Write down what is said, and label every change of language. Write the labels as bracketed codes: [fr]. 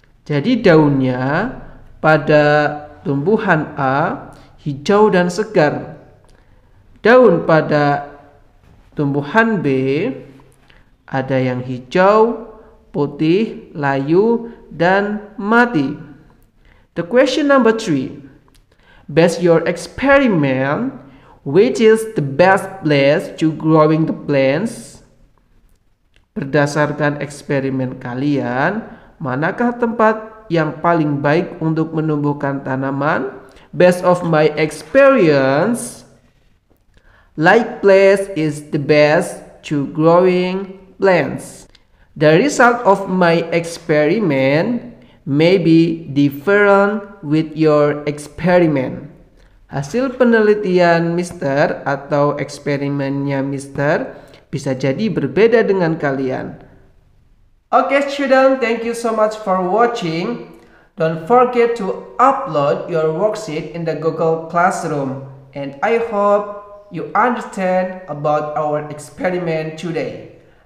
[id] Jadi daunnya pada tumbuhan A hijau dan segar. Daun pada tumbuhan B ada yang hijau, putih, layu, dan mati. [en] The question number three. Based your experiment, Which is the best place to growing the plants? [id] Berdasarkan eksperimen kalian, manakah tempat yang paling baik untuk menumbuhkan tanaman? [en] Based of my experience, light place is the best to growing plants. The result of my experiment may be different with your experiment. [id] Hasil penelitian Mister atau eksperimennya Mister bisa jadi berbeda dengan kalian. [en] Okay, student, thank you so much for watching. Don't forget to upload your worksheet in the Google Classroom. And I hope you understand about our experiment today.